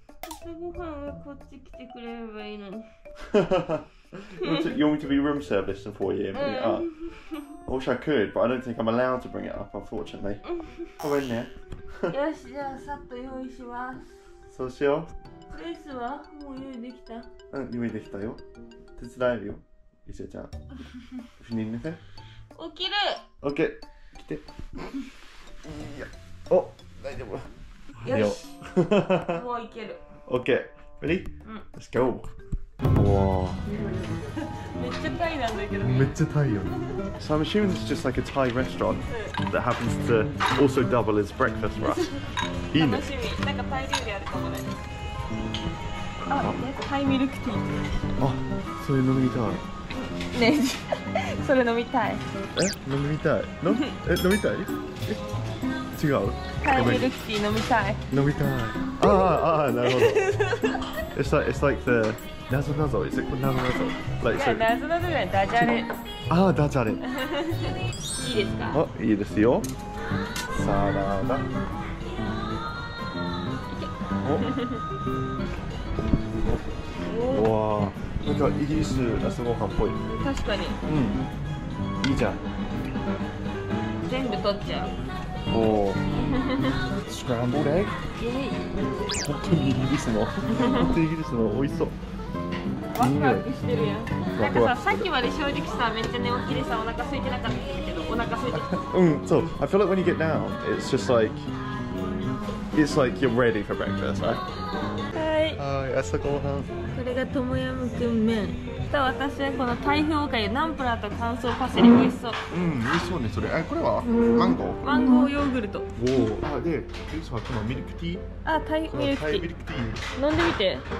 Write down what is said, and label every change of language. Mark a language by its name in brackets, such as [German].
[Japanese] 朝ごはんはこっち来てくれればいいのに。 [English] You want me to be room service in 4 AM? [Japanese] うん。 [English] I wish I could, but I don't think I'm allowed to bring it up, unfortunately. [Japanese] ごめんね。よし、じゃあさっと用意します。そうしよう。クリスはもう用意できた？うん、用意できたよ。手伝えるよ、リセちゃん。不妊ね。起きる。オッケー、来て。いや、お、大丈夫。よし。もう行ける。オッケー、 [English] ready？ [Japanese] うん。 [English] Let's go。 [Japanese] わあ。めっちゃタイなんだけど。めっちゃタイよ。 [English] So I'm assuming this is just like a Thai restaurant that happens to also double as breakfast for us。 [Japanese] いいね。楽しみ。なんかタイ料理あるかもね。あ、タイミルクティー。あ、それ飲みたい。ね、それ飲みたい。え、飲みたい。の、え、飲みたい？え、違う。タイミルクティー飲みたい。飲みたい。ああ、ああ、なるほど。 [English] It's like the [Japanese] ナゾナゾ。 [English] Is it ナゾナゾ？Like so。 [Japanese] ナゾナゾじゃん、ダジャレ。ああ、ダジャレ。いいですか？あ、いいですよ。さあ、なんだ。おわー、なんかイギリス朝ごはんっぽい。確かに、うん、いいじゃん、全部取っちゃう。おースクランブルエッグ、本当にイギリスの本当にイギリスの、美味しそう。ワクワクしてるやん。なんかさ、さっきまで正直さ、めっちゃ寝起きでさ、お腹空いてなかったけど、お腹空いてうん、そう、 [English] I feel like when you get down, it's just likeIt's like you're ready for breakfast, right? [Japanese] はい。はい、朝ごはん。これがトムヤムクン麺。と私はこの台風おかゆ、ナンプラーと乾燥パセリ、美味しそう。うん、美味しそうね、それ。え、これはマンゴー。マンゴーヨーグルト。おお。あ、で、ジュースはこのミルクティー。あ、タイミルクティー。タイミルクティー。飲んでみて。